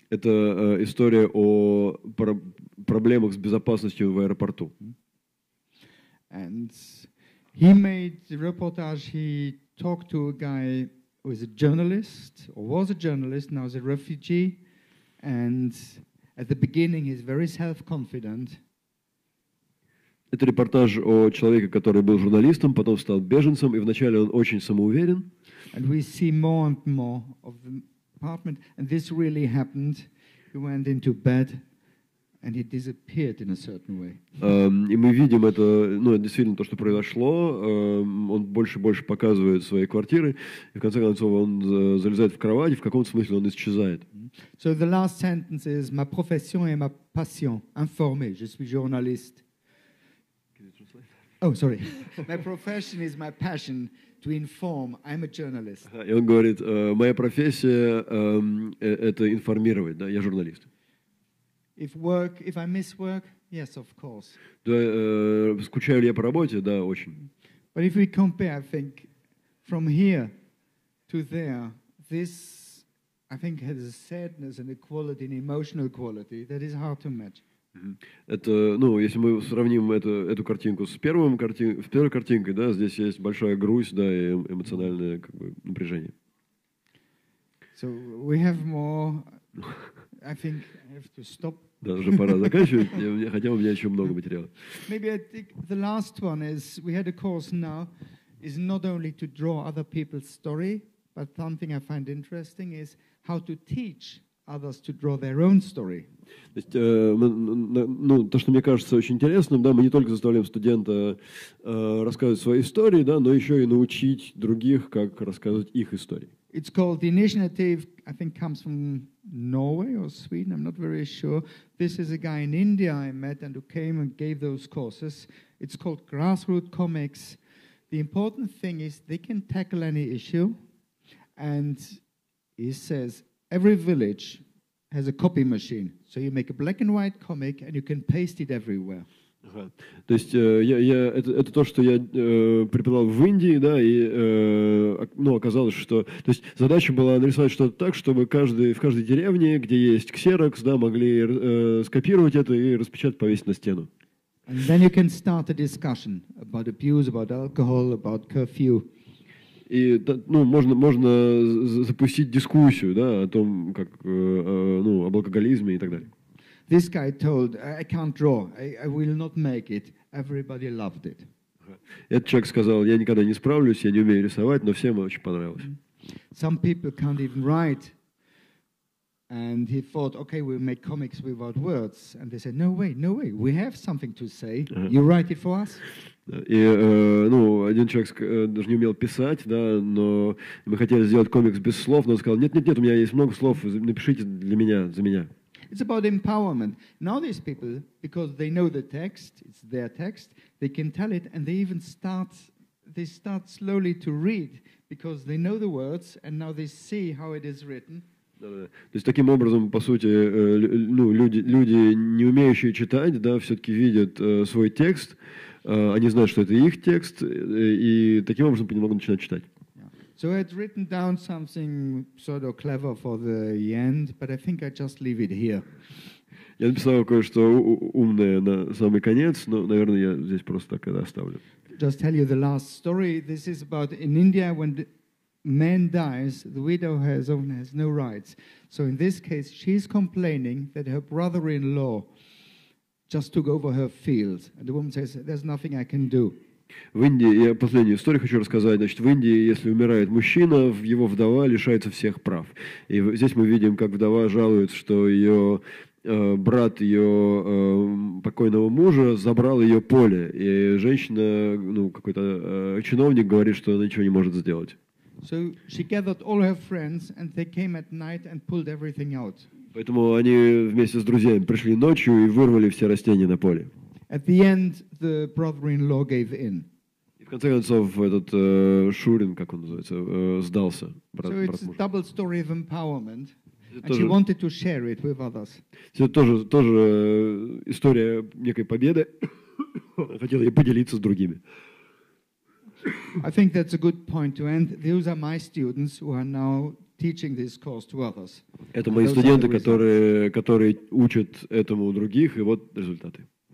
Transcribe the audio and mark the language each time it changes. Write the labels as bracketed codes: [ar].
[ru] Это история о проблемах с безопасностью в аэропорту. [en] And he made the reportage. He talked to a guy who is a journalist, or was a journalist, now is a refugee, and at the beginning he's very self-confident. [ru] Это репортаж о человеке, который был журналистом, потом стал беженцем, и вначале он очень самоуверен. [en] And we see more and more of the apartment, and this really happened. He went into bed, and he disappeared in a certain way. [ru] И мы видим это, ну, действительно то, что произошло. Он больше и больше показывает свои квартиры, и в конце концов он залезает в кровать, и в каком-то смысле он исчезает. [en] So the last sentence is: [fr] "Ma profession est ma passion. Informé, je suis journaliste." [en] Oh, sorry. My profession is my passion to inform. I'm a journalist. [ru] И он говорит, моя профессия это информировать, да, я журналист. [en] If work, if I miss work, yes, of course. [ru] Да, скучаю ли я по работе? Да, очень. [en] But if we compare, I think, from here to there, this, I think, has a sadness and a quality, an emotional quality that is hard to match. [ru] Это, ну, если мы сравним эту картинку с первым первой картинкой, да, здесь есть большая грусть, да, и эмоциональное как бы напряжение. [en] So we have more. I think I have to stop. [ru] Да, уже пора заканчивать. Хотя у меня еще много материала. [en] Maybe I think the last one is we had a course now is not only to draw other people's story, but something I find interesting is how to teach others to draw their own story. [ru] То есть, ну, то, что мне кажется очень интересным, да, мы не только заставляем студента рассказывать свои истории, да, но еще и научить других, как рассказывать их истории. [en] It's called the initiative, I think, comes from Norway or Sweden, I'm not very sure. This is a guy in India I met and who came and gave those courses. It's called Grassroots Comics. The important thing is they can tackle any issue, and he says every village has a copy machine. So you make a black and white comic and you can paste it everywhere. [ru] То есть это то, что я преподавал в Индии, да, и ну, оказалось, что то есть задача была нарисовать что-то так, чтобы в каждой деревне, где есть ксерокс, да, могли скопировать это и распечатать, повесить на стену. [en] And then you can start a discussion about abuse, about alcohol, about curfew. [ru] И, ну, можно запустить дискуссию, да, о том, как, ну, об алкоголизме и так далее. [en] This guy told, "I can't draw. I will not make it." Everybody loved it. [ru] Этот человек сказал, "Я никогда не справлюсь, я не умею рисовать", но всем очень понравилось. [en] Some people can't even write, and he thought, "Okay, we'll make comics without words." And they said, "No way, no way. We have something to say. You write it for us." [ru] И, ну, один человек даже не умел писать, да, но мы хотели сделать комикс без слов, но он сказал, "Нет, у меня есть много слов. Напишите для меня, за меня." [en] It's about empowerment. Now these people, because they know the text, it's their text, they can tell it, and they even start they start slowly to read because they know the words and now they see how it is written. [ru] То есть таким образом, по сути, люди, не умеющие читать, да, все-таки видят свой текст, они знают, что это их текст, и таким образом понемногу начинают читать. [en] So I'd written down something sort of clever for the end, but I think I just leave it here. [ru] Я написал кое-что умное на самый конец, но, наверное, я здесь просто так и оставлю. [en] Just tell you the last story. This is about in India when man dies, the widow has no rights. So in this case, she's complaining that her brother-in-law just took over her field. And the woman says, there's nothing I can do. [ru] В Индии, я последнюю историю хочу рассказать, значит, в Индии, если умирает мужчина, его вдова лишается всех прав. И здесь мы видим, как вдова жалуется, что ее брат ее покойного мужа забрал ее поле. И женщина, ну, какой-то чиновник говорит, что она ничего не может сделать. [en] So she gathered all her friends and they came at night and pulled everything out. [ru] Поэтому они вместе с друзьями пришли ночью и вырвали все растения на поле. [en] At the end, the brother-in-law gave in. [ru] И в конце концов этот Шурин, как он называется, сдался. [en] Брат, so it's a double story of empowerment. And she wanted to share it with others. [ru] Это тоже история некой победы. Хотела ей поделиться с другими. [en] I think that's a good point to end. Those are my students who are now teaching this course to others. [ru] Это мои студенты, которые учат этому других, и вот результаты.